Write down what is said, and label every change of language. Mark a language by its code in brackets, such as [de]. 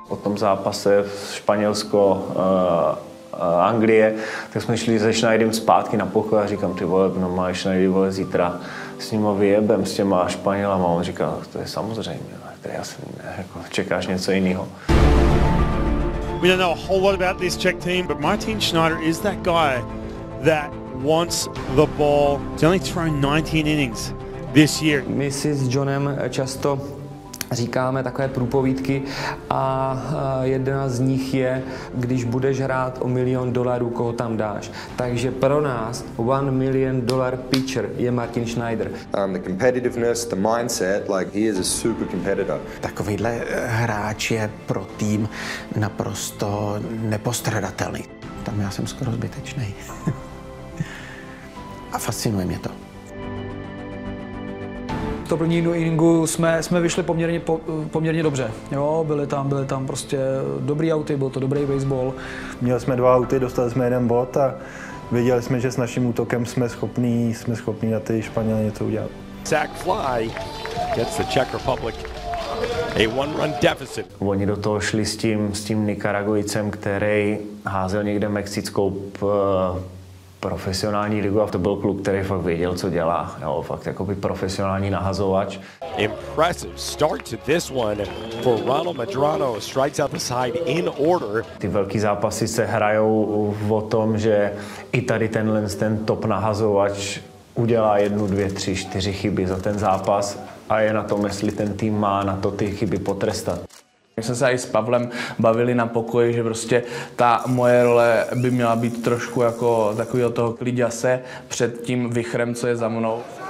[cs] O tom zápase Španělsko Anglie, tak jsme šli se Schneiderem zpátky na pokoj a říkám, ty vole, no máš Schneider, vole, zítra s ním vyjebem, s těma Španělama. On říkal, to je samozřejmě, tady asi ne, jako čekáš něco jiného. [en] We don't know a whole lot about this Czech team, but Martin Schneider is that guy that wants the ball. He's only thrown 19 innings this year. [cs] My si s Johnem často říkáme takové průpovídky a jedna z nich je, když budeš hrát o $1 million, koho tam dáš. Takže pro nás $1 million pitcher je Martin Schneider. [en] The competitiveness, the mindset, like he is a super competitor. [cs] Takovýhle hráč je pro tým naprosto nepostradatelný. Tam já jsem skoro zbytečný. A fascinuje mě to. To první inningu jsme vyšli poměrně dobře. Jo, byly tam prostě dobrý auty, byl to dobrý baseball. Měli jsme dva auty, dostali jsme jeden bod a věděli jsme, že s naším útokem jsme schopní na ty Španěly něco udělat. [en] Zach Fly gets the Czech Republic a one-run deficit. [cs] Oni do toho šli s tím Nikaragujcem, který házel někde mexickou profesionální ligu a to byl klub, který fakt věděl, co dělá. Jo, fakt jakoby profesionální nahazovač. [en] Impressive start to this one for Ronald Medrano, strikes out the side in order. [cs] Ty velký zápasy se hrajou o tom, že i tady tenhle ten top nahazovač udělá 1, 2, 3, 4 chyby za ten zápas a je na tom, jestli ten tým má na to ty chyby potrestat. My jsme se i s Pavlem bavili na pokoji, že prostě ta moje role by měla být trošku jako takovýho toho kliděse před tím vichrem, co je za mnou.